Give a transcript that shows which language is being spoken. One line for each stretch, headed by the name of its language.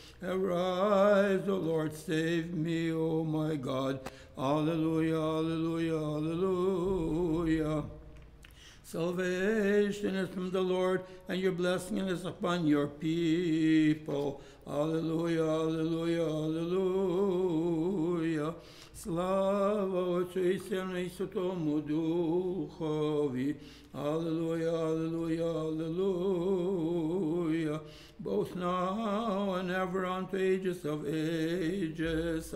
English: Arise, O Lord, save me, O my God. Alleluia, alleluia, alleluia. Salvation is from the Lord, and your blessing is upon your people. Alleluia, alleluia, alleluia.
Ukrainian: Слава Отцу і Сину, і Святому Духові.
English: Alleluia, alleluia, alleluia. Both now and ever unto ages of ages.